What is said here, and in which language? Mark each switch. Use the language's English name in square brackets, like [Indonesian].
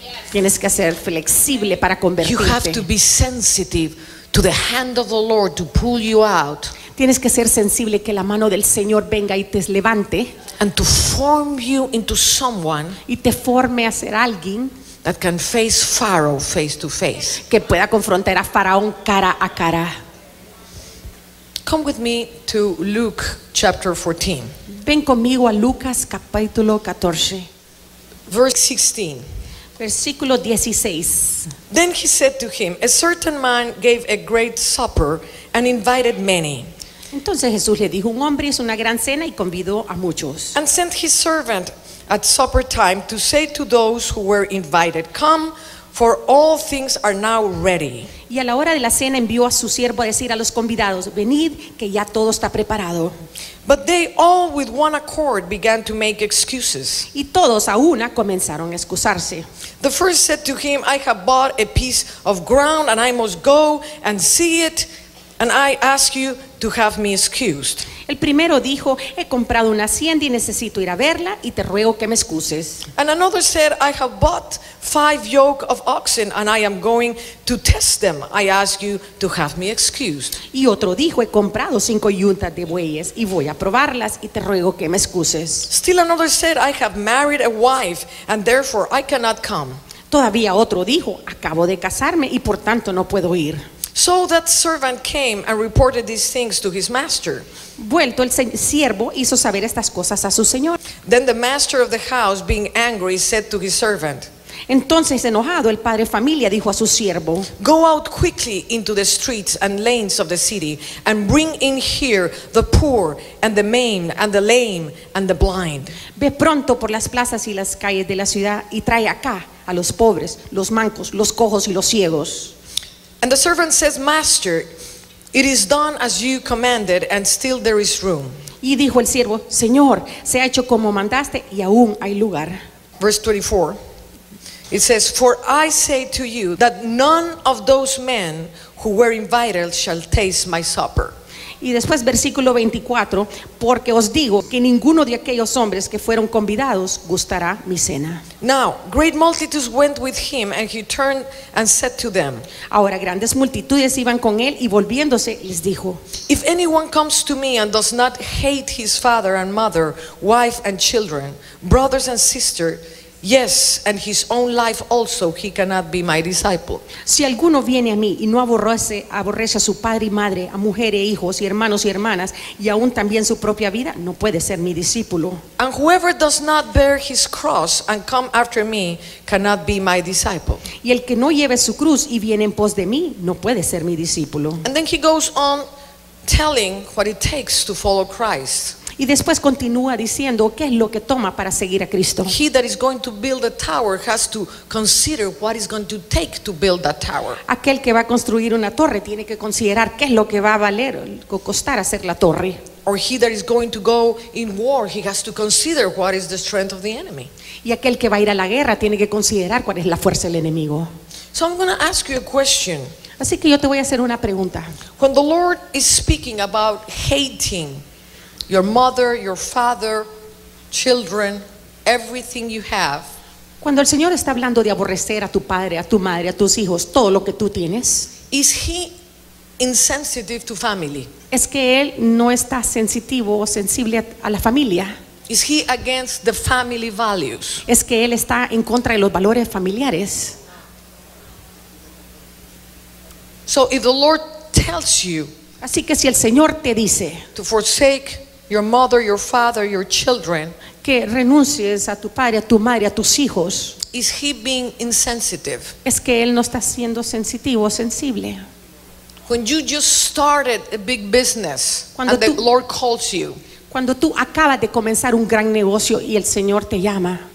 [Spanish] Tienes que ser flexible para convertirte. [English] You have to be sensitive to the hand of the Lord to pull you out. [Spanish] Tienes que ser sensible que la mano del Señor venga y te levante. [English] And to form you into someone, [Spanish] y te forme a ser alguien, [English] that can face Pharaoh face to face. [Spanish] Que pueda confrontar a Faraón cara a cara. [English] Come with me to Luke chapter 14. [Spanish] Ven conmigo a Lucas capítulo 14. [English] Verse 16. [Spanish] Versículo 16. [English] Then he said to him, a certain man gave a great supper and invited many. [Spanish] Entonces Jesús le dijo, un hombre hizo una gran cena y convidó a muchos. [English] And sent his servant at supper time to say to those who were invited, come, for all things are now ready. [Spanish] Y a la hora de la cena envió a su siervo a decir a los convidados, venid, que ya todo está preparado. [English] But they all with one accord began to make excuses. [Spanish] Y todos a una comenzaron a excusarse. [English] The first said to him, I have bought a piece of ground and I must go and see it, and I ask you to have me excused. [Spanish] El primero dijo, he comprado una hacienda y necesito ir a verla y te ruego que me excuses. [English] And another said, I have bought 5 yoke of oxen and I am going to test them. I ask you to have me excused. [Spanish] Y otro dijo, he comprado 5 yuntas de bueyes y voy a probarlas y te ruego que me excuses. [English] Still another said, I have married a wife and therefore I cannot come. [Spanish] Todavía otro dijo, acabo de casarme y por tanto no puedo ir. [English] So that servant came and reported these things to his master. [Spanish] Vuelto el siervo hizo saber estas cosas a su señor. [English] Then the master of the house, being angry, said to his servant. [Spanish] Entonces enojado el padre de familia dijo a su siervo. [English] Go out quickly into the streets and lanes of the city and bring in here the poor and the maimed and the lame and the blind. [Spanish] Ve pronto por las plazas y las calles de la ciudad y trae acá a los pobres, los mancos, los cojos y los ciegos. [English] And the servant says, Master, it is done as you commanded, and still there is room. [Spanish] Y dijo el siervo, Señor, se ha hecho como mandaste, y aún hay lugar. [English] Verse 24, it says, For I say to you that none of those men who were invited shall taste my supper. [Spanish] Y después versículo 24, porque os digo que ninguno de aquellos hombres que fueron convidados gustará mi cena. [English] Now, great multitudes went with him, and he turned and said to them. [Spanish] Ahora grandes multitudes iban con él y volviéndose les dijo. [English] If anyone comes to me and does not hate his father and mother, wife and children, brothers and sisters, yes, and his own life also, he cannot be my disciple. [Spanish] Si alguno viene a mí y no aborrece a su padre y madre, a mujer e hijos y hermanos y hermanas, y aún también su propia vida, no puede ser mi discípulo. [English] And whoever does not bear his cross and come after me cannot be my disciple. [Spanish] Y el que no lleve su cruz y viene en pos de mí, no puede ser mi discípulo. [English] And then he goes on telling what it takes to follow Christ. [Spanish] Y después continúa diciendo qué es lo que toma para seguir a Cristo. [English] He that is going to build a tower has to consider what is going to take to build that tower. [Spanish] Aquel que va a construir una torre tiene que considerar qué es lo que va a valer o costar hacer la torre. [English] Or he that is going to go in war, he has to consider what is the strength of the enemy. [Spanish] Y aquel que va a ir a la guerra tiene que considerar cuál es la fuerza del enemigo. [English] So I'm going to ask you a question. [Spanish] Así que yo te voy a hacer una pregunta. [English] When the Lord is speaking about hating your mother, your father, children, everything you have. [Spanish] Cuando el Señor está hablando de aborrecer a tu padre, a tu madre, a tus hijos, todo lo que tú tienes. [English] Is he insensitive to family? [Spanish] ¿Es que él no está sensitivo o sensible a la familia? [English] Is he against the family values? [Spanish] ¿Es que él está en contra de los valores familiares? [English] So if the Lord tells you, [Spanish] así que si el Señor te dice, [English] to forsake your mother, your father, your children, [Spanish] que renuncies a tu padre, a tu madre, a tus hijos, [English] is he being insensitive? [Spanish] ¿Es que él no está siendo sensitivo o sensible? [English] When you just started a big business [Spanish] cuando [English] and [Spanish] tú, [English] the Lord calls you, [Spanish] cuando tú acabas de comenzar un gran negocio y el Señor te llama,